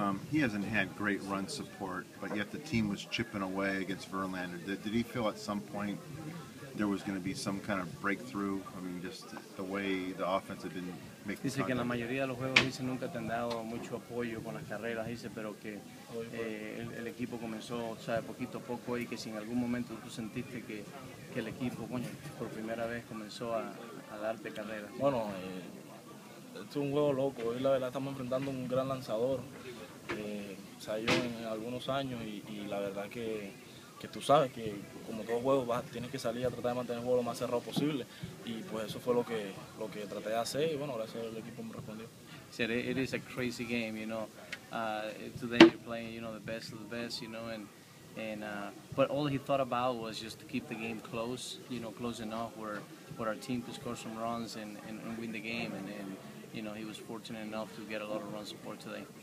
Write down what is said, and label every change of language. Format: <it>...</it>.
<en>He hasn't had great run support, but yet the team was chipping away against Verlander. Did he feel at some point there was going to be some kind of breakthrough? I mean, just the way the offense had been making.</en> <es>Dice que en la mayoría de los juegos dice nunca te han dado mucho apoyo con las carreras. Dice, pero que el equipo comenzó, sabe, poquito a poco, y que si en algún momento tú sentiste que el equipo, coño, por primera vez comenzó a darte carreras. Bueno, esto es un juego loco. Hoy la verdad estamos enfrentando un gran lanzador. Salió en algunos años y la verdad que tú sabes que como todo juego tienes que salir a tratar de mantener el juego lo más cerrado posible, y pues eso fue lo que traté de hacer, y bueno, gracias al equipo me respondió.</es> <en>Said it is a crazy game, you know, today you're playing, you know, the best of the best, you know, but all he thought about was just to keep the game close, you know, close enough where for our team to score some runs and win the game, and you know, he was fortunate enough to get a lot of run support today.</en>